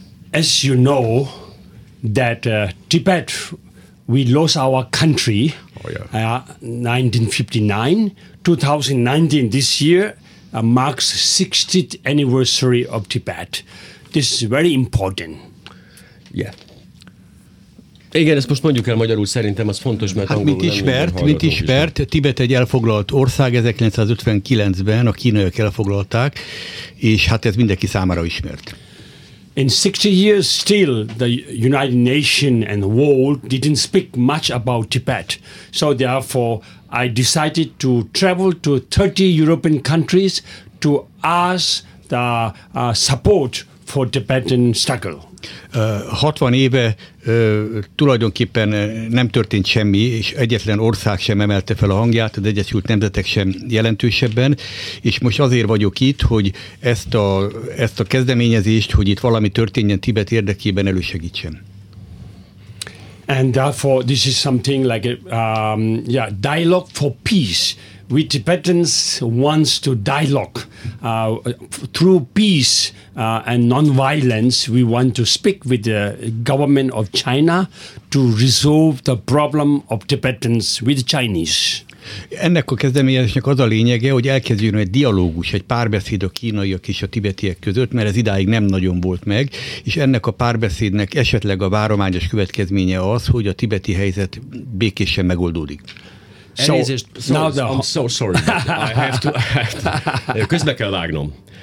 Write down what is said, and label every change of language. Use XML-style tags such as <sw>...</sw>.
<en>As you know, that Tibet, we lost our country, oh, yeah. 1959. 2019, this year, marks 60th anniversary of Tibet. This is very important. Yeah.</en> <hu>Igen, ezt most mondjuk el magyarul, szerintem az fontos, mert hát mit ismert, Tibet egy elfoglalt ország, 1959-ben a kínaiak elfoglalták, és hát ez mindenki számára ismert.</hu> <en>In 60 years still, the United Nations and the world didn't speak much about Tibet. So therefore, I decided to travel to 30 European countries to ask the support for Tibetan struggle.</en> <hu>60 éve tulajdonképpen nem történt semmi, és egyetlen ország sem emelte fel a hangját, az Egyesült Nemzetek sem jelentősebben, és most azért vagyok itt, hogy ezt a kezdeményezést, hogy itt valami történjen Tibet érdekében, elősegítsen.</hu> <en>And therefore this is something like a dialogue for peace. We Tibetans wants to dialogue through peace and non-violence. We want to speak with the government of China to resolve the problem of Tibetans with Chinese.</en> <hu>Ennek a kezdeményezésnek az a lényege, hogy elkezdjön egy dialógus, egy párbeszéd a kínaiak és a tibetiek között, mert ez idáig nem nagyon volt meg, és ennek a párbeszédnek esetleg a várományos következménye az, hogy a tibeti helyzet békésen megoldódik.</hu> <en>So,</en> <hu>elnézést,</hu> <en>I'm so sorry, I have to.</en> <hu>Közbe kell vágnom.</hu>